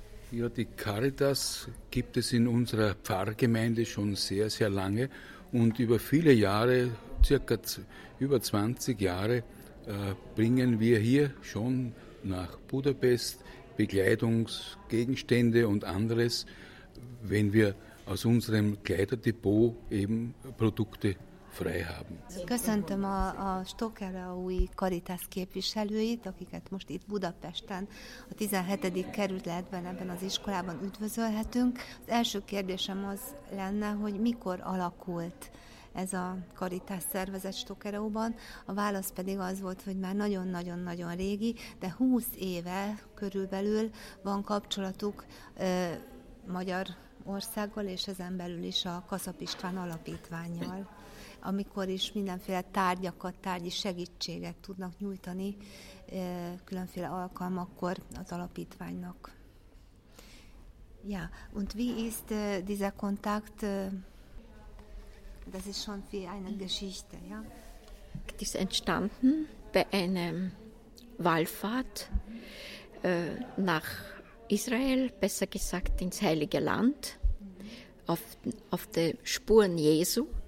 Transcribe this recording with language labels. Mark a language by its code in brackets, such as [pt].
[de] Ja, die Caritas gibt es in unserer Pfarrgemeinde schon sehr, sehr lange und über viele Jahre, circa über 20 Jahre, bringen wir hier schon nach Budapest Bekleidungsgegenstände und anderes, wenn wir aus unserem Kleiderdepot eben Produkte frei haben. [hu] Köszöntöm a Stockerau-i Caritas képviselőit, akiket most itt Budapesten, a 17. kerületben ebben az iskolában üdvözölhetünk. Az első kérdésem az lenne, hogy mikor alakult ez a Caritas szervezet Stockerau-ban. A válasz pedig az volt, hogy már nagyon-nagyon-nagyon régi, de 20 éve körülbelül van kapcsolatuk Magyarországgal, és ezen belül is a Kaszap István alapítvánnyal, amikor is mindenféle tárgyakat, tárgyi segítséget tudnak nyújtani különféle alkalmakkor az alapítványnak. [de] Ja, und wie ist dieser Kontakt? Das ist schon wie eine Geschichte, ja? Das ist entstanden bei einem Wallfahrt nach Israel, besser gesagt ins Heilige Land, auf der Spuren Jesu.